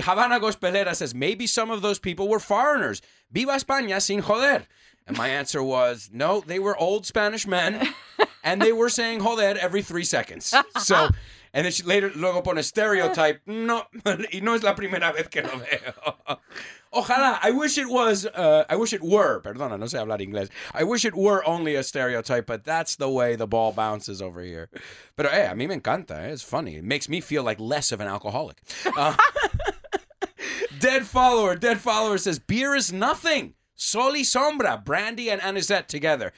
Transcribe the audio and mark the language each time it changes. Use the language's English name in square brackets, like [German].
[English] Havana Gospelera says, maybe some of those people were foreigners. [Spanish] Viva España sin joder. [English] And my answer was, no, they were old Spanish men, and they were saying joder every 3 seconds. So, and then she later, [Spanish] luego pone [English] a stereotype. [Spanish] No, y no es la primera vez que lo veo. Ojalá. [English] I wish it were. [Spanish] Perdona, no sé hablar inglés. [English] I wish it were only a stereotype, but that's the way the ball bounces over here. [Spanish] Pero, a mí me encanta. [English] It's funny. It makes me feel like less of an alcoholic. dead follower says, beer is nothing. Sol y Sombra, Brandy and Anisette together.